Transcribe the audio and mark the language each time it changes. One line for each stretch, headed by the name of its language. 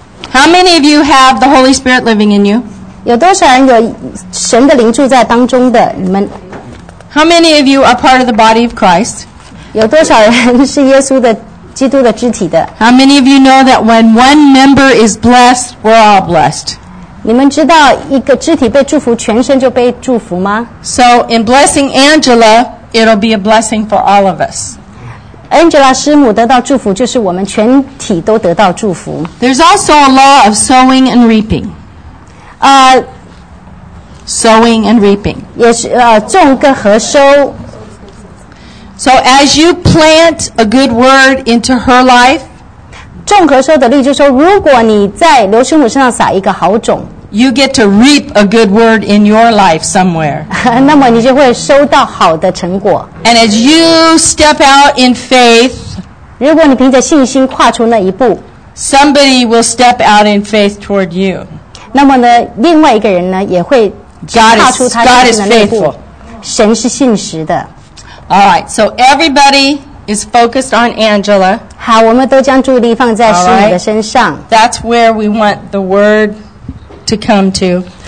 English: How many of you have the Holy Spirit living in you?
Chinese: 有多少人有神的灵住在当中的？你们
English: ？How many of you are part of the body of Christ?
Chinese: 有多少人是耶稣的基督的肢体的
English: ？How many of you know that when one member is blessed, we're all blessed?
Chinese: 你们知道一个肢体被祝福，全身就被祝福吗？
English: So in blessing Angela, it'll be a blessing for all of us.
Chinese: Angela 师母得到祝福，就是我们全体都得到祝福。
English: There's also a law of sowing and reaping. Sowing and reaping.
Chinese: 也是种跟和收。
English: So as you plant a good word into her life,
Chinese: 种和收的例就是说，如果你在刘师母身上撒一个好种
English: ，You get to reap a good word in your life somewhere.
Chinese: 那么你就会收到好的成果。
English: And as you step out in faith,
Chinese: 如果你凭着信心跨出那一步
English: ，Somebody will step out in faith toward you.
Chinese: 那么呢，另外一个人呢也会跨出他的那一步。
English: God is faithful.
Chinese: 神是信实的。
English: All right, so everybody. Is focused on Angela.
Chinese: 好，我们都将注意力放在师母的身上。
English: Right. That's where we want the word to come to.